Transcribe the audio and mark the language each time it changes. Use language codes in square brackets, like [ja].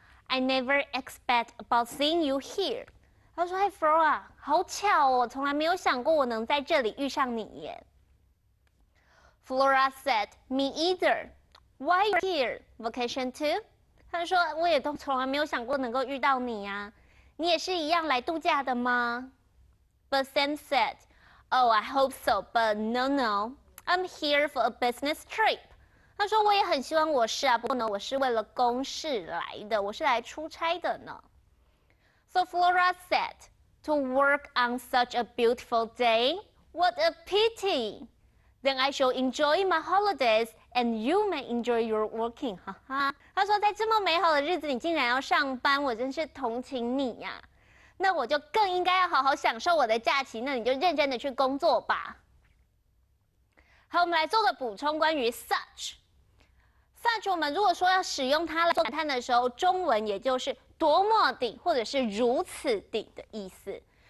[en] I never expect about seeing you here. [zh] 他说 ：“Hey Flora, 好巧哦，从来没有想过我能在这里遇上你耶。” [en] Flora said, "Me either. Why you here? Vacation too?" [zh] 他说：“我也都从来没有想过能够遇到你呀、啊，你也是一样来度假的吗？” [en] But Sam said, "Oh, I hope so, but no, no. I'm here for a business trip." [zh] 他说我也很希望我是啊，不过呢，我是为了公事来的，我是来出差的呢。 [en] So Flora said, "To work on such a beautiful day, what a pity! Then I shall enjoy my holidays, and you may enjoy your working." [zh] 哈哈，他说在这么美好的日子，你竟然要上班，我真是同情你呀、啊。那我就更应该要好好享受我的假期，那你就认真的去工作吧。好，我们来做个补充，关于 such。such 我们如果说要使用它来做感叹的时候，中文也就是多么的或者是如此的的意思。